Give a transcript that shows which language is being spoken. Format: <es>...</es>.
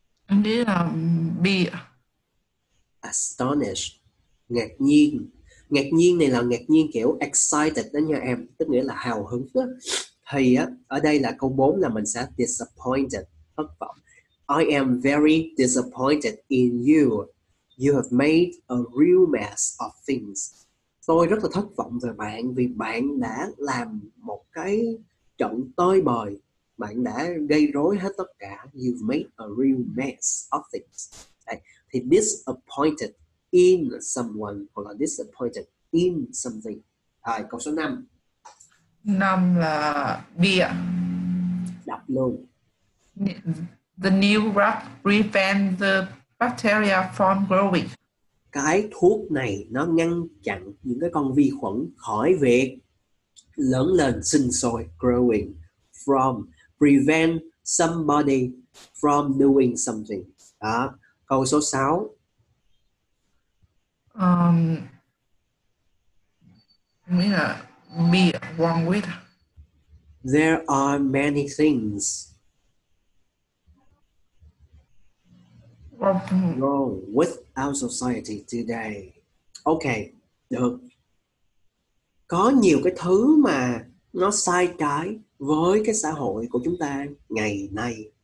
<vi>Nghĩa là bị astonished, ngạc nhiên. Ngạc nhiên này là ngạc nhiên kiểu excited đó nha em, tức nghĩa là hào hứng đó. Thì ở đây là câu 4 là mình sẽ disappointed, thất vọng.</vi> <en>I am very disappointed in you. You have made a real mess of things.</en> <vi>Tôi rất là thất vọng về bạn vì bạn đã làm một cái trận tơi bời. Bạn đã gây rối hết tất cả.</vi> <en>You've made a real mess of things.</en> <vi>Đấy. Thì</vi> <en>disappointed in someone</en> <vi>hoặc là</vi> <en>disappointed in something.</en> <vi>Rồi, câu số 5. 5 là bia. Đọc luôn.</vi> <en>The new drug prevent the bacteria from growing.</en> <vi>Cái thuốc này nó ngăn chặn những cái con vi khuẩn khỏi việc lớn lên, sinh sôi, growing, from,</vi> <en>prevent somebody from doing something.</en> <vi>Đó. Câu số 6.</vi> <en>Be wrong with. There are many things wrong with our society today.</en> <vi>Okay, được. Có nhiều cái thứ mà nó sai trái với cái xã hội của chúng ta ngày nay.</vi>